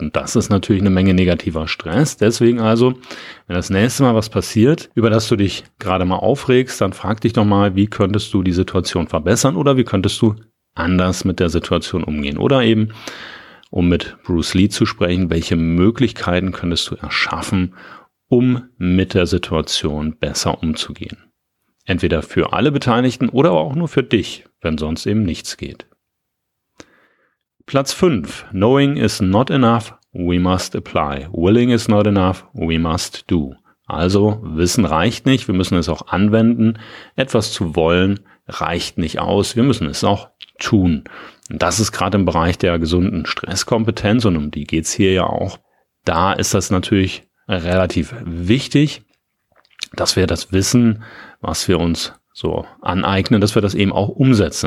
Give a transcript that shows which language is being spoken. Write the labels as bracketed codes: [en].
[de] Und das ist natürlich eine Menge negativer Stress. Deswegen also, wenn das nächste Mal was passiert, über das du dich gerade mal aufregst, dann frag dich doch mal, wie könntest du die Situation verbessern oder wie könntest du anders mit der Situation umgehen? Oder eben, um mit Bruce Lee zu sprechen, welche Möglichkeiten könntest du erschaffen, um mit der Situation besser umzugehen. Entweder für alle Beteiligten oder auch nur für dich, wenn sonst eben nichts geht. Platz 5. [en] Knowing is not enough, we must apply. Willing is not enough, we must do. [de] Also, Wissen reicht nicht, wir müssen es auch anwenden. Etwas zu wollen reicht nicht aus, wir müssen es auch tun. Und das ist gerade im Bereich der gesunden Stresskompetenz und um die geht's hier ja auch. Da ist das natürlich relativ wichtig, dass wir das Wissen, was wir uns so aneignen, dass wir das eben auch umsetzen.